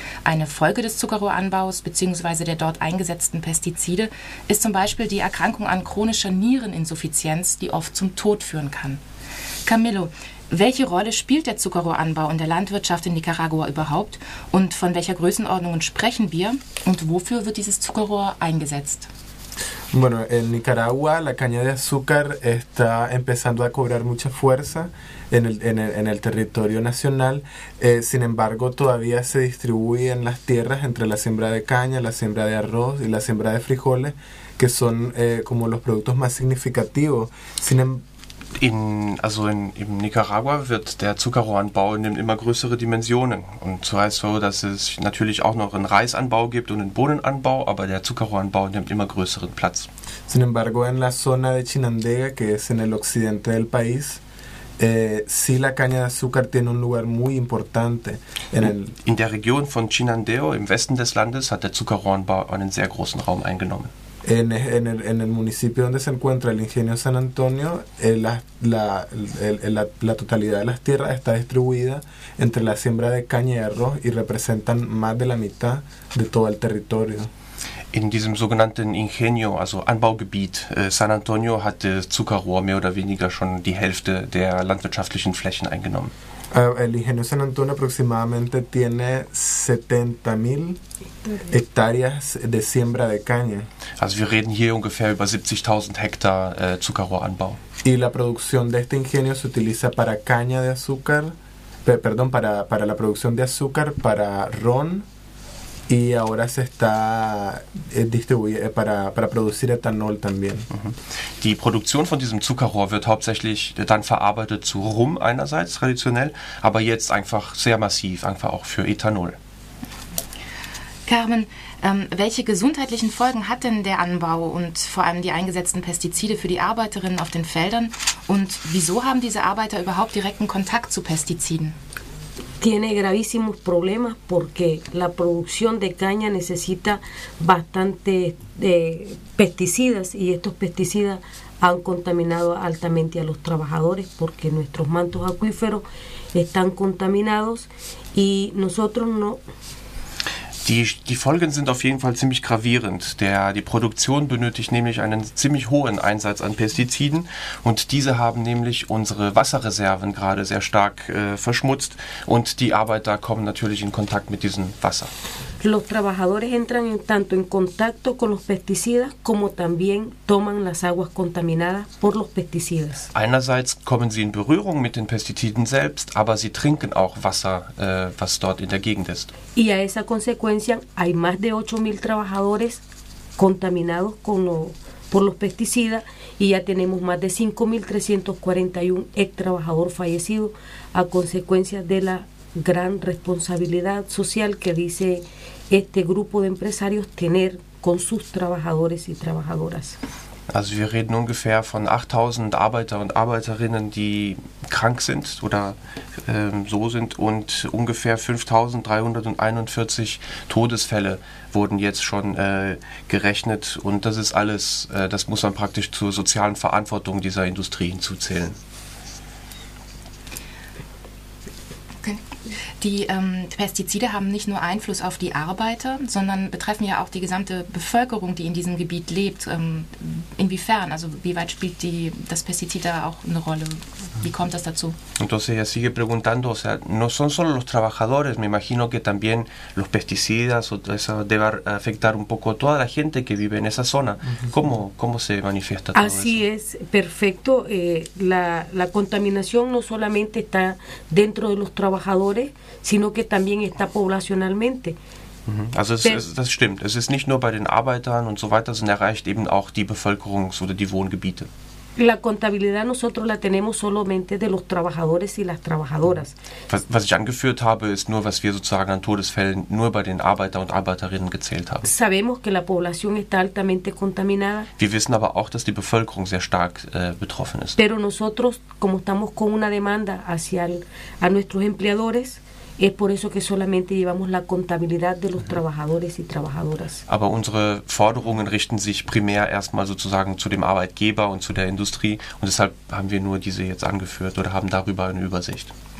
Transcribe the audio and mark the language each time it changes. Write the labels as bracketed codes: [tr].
[de] Eine Folge des Zuckerrohranbaus bzw. der dort eingesetzten Pestizide ist zum Beispiel die Erkrankung an chronischer Niereninsuffizienz, die oft zum Tod führen kann. Camilo, welche Rolle spielt der Zuckerrohranbau in der Landwirtschaft in Nicaragua überhaupt und von welcher Größenordnung sprechen wir und wofür wird dieses Zuckerrohr eingesetzt? [es] Bueno, en Nicaragua la caña de azúcar está empezando a cobrar mucha fuerza en el territorio nacional. Sin embargo, todavía se distribuyen las tierras entre la siembra de caña, la siembra de arroz y la siembra de frijoles, que son como los productos más significativos. [de] In Nicaragua wird der Zuckerrohranbau nimmt immer größere Dimensionen. Und so heißt so, dass es natürlich auch noch einen Reisanbau gibt und einen Bohnenanbau, aber der Zuckerrohranbau nimmt immer größeren Platz. [es] Sin embargo, en la zona de Chinandega, que es en el occidente del país, sí la caña de azúcar tiene un lugar muy importante. [de] In der Region von Chinandega, im Westen des Landes, hat der Zuckerrohranbau einen sehr großen Raum eingenommen. [es] En el municipio donde se encuentra el ingenio San Antonio, la totalidad de las tierras está distribuida entre la siembra de caña y arroz y representan más de la mitad de todo el territorio. [de] In diesem sogenannten Ingenio, also Anbaugebiet San Antonio, hat Zuckerrohr mehr oder weniger schon die Hälfte der landwirtschaftlichen Flächen eingenommen. [es] El ingenio San Antonio aproximadamente tiene 70.000 hectáreas de siembra de caña. [de] Also wir reden hier ungefähr über 70.000 Hektar Zuckerrohranbau. [es] Y la producción de este ingenio se utiliza para caña de azúcar, perdón, para la producción de azúcar, para ron, y ahora se está distribuyendo para producir etanol también. [de] Die Produktion von diesem Zuckerrohr wird hauptsächlich dann verarbeitet zu Rum einerseits traditionell, aber jetzt einfach sehr massiv, einfach auch für Ethanol. Carmen, welche gesundheitlichen Folgen hat denn der Anbau und vor allem die eingesetzten Pestizide für die Arbeiterinnen auf den Feldern? Und wieso haben diese Arbeiter überhaupt direkten Kontakt zu Pestiziden? [es] Tiene gravísimos problemas porque la producción de caña necesita bastante pesticidas y estos pesticidas han contaminado altamente a los trabajadores porque nuestros mantos acuíferos están contaminados y nosotros no. [de] Die Folgen sind auf jeden Fall ziemlich gravierend. Die Produktion benötigt nämlich einen ziemlich hohen Einsatz an Pestiziden und diese haben nämlich unsere Wasserreserven gerade sehr stark verschmutzt und die Arbeiter kommen natürlich in Kontakt mit diesem Wasser. [es] Los trabajadores entran tanto en contacto con los pesticidas como también toman las aguas contaminadas por los pesticidas. [de] Einerseits kommen sie in Berührung mit den Pestiziden selbst, aber sie trinken auch Wasser, was dort in der Gegend ist. [es] Y a esa consecuencia hay más de 8.000 trabajadores contaminados por los pesticidas y ya tenemos más de 5.341 ex trabajador fallecido a consecuencia de la gran responsabilidad social que dice este grupo de empresarios tener con sus trabajadores y trabajadoras. [de] Also wir reden ungefähr von 8.000 Arbeiter und Arbeiterinnen, die krank sind oder so sind und ungefähr 5.341 Todesfälle wurden jetzt schon gerechnet und das ist alles, das muss man praktisch zur sozialen Verantwortung dieser Industrie hinzuzählen. Die Pestizide haben nicht nur Einfluss auf die Arbeiter, sondern betreffen ja auch die gesamte Bevölkerung, die in diesem Gebiet lebt. Inwiefern, also wie weit spielt das Pestizid da auch eine Rolle? Wie kommt das dazu? [es] Entonces ella sigue preguntando, o sea, no son solo los trabajadores, me imagino que también los pesticidas, o eso debe afectar un poco a toda la gente que vive en esa zona. ¿Cómo se manifiesta todo Así eso? Es, perfecto. La contaminación no solamente está dentro de los trabajadores, sino que también está poblacionalmente. [de] Also das stimmt. Es ist nicht nur bei den Arbeitern und so weiter, sondern erreicht eben auch die Bevölkerungs- oder die Wohngebiete. [es] La contabilidad nosotros la tenemos solamente de los trabajadores y las trabajadoras. [de] Was ich angeführt habe, ist nur, was wir sozusagen an Todesfällen nur bei den Arbeiter und Arbeiterinnen gezählt haben. [es] Sabemos que la población está altamente contaminada. [de] Wir wissen aber auch, dass die Bevölkerung sehr stark betroffen ist. [es] Pero nosotros, como estamos con una demanda hacia a nuestros empleadores, es por eso que solamente llevamos la contabilidad de los trabajadores y trabajadoras. [de] Aber unsere Forderungen richten sich primär erstmal sozusagen zu dem Arbeitgeber und zu der Industrie und deshalb haben wir nur diese jetzt angeführt oder haben darüber eine Übersicht.